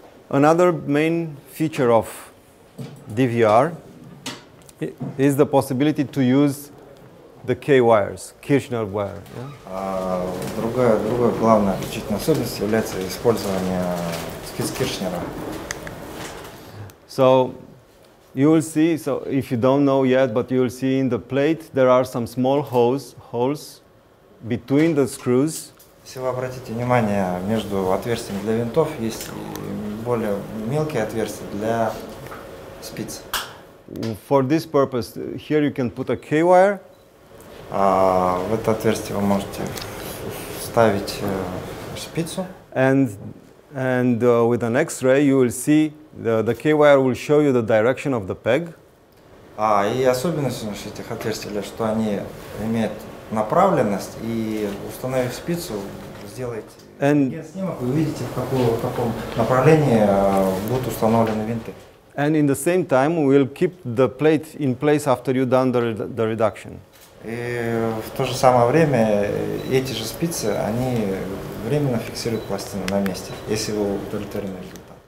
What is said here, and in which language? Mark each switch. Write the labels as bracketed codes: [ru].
[en] Another main feature of DVR is the possibility to use the K wires, Kirchner wire. [ru] Другая главная отличительная особенность является использование Кирхнера. [en] So you will see, so if you don't know yet, but you will see in the plate there are some small holes between the screws. [ru] Если вы обратите внимание, между отверстиями для винтов есть более мелкие отверстия для спиц. [en] For this purpose, here you can put a K-wire. [ru] В это отверстие вы можете вставить шпицу. [en] And with an X-ray, you will see the K-wire will show you the direction of the peg. [ru] И особенность этих отверстий, что они имеют направленность, и установив спицу, сделаете снимок, вы увидите, в каком направлении будут установлены винты. [en] And in the same time, we will keep the plate in place after you done the reduction. [ru] И в то же самое время эти же спицы, они временно фиксируют пластины на месте, если вы удовлетворены результатом.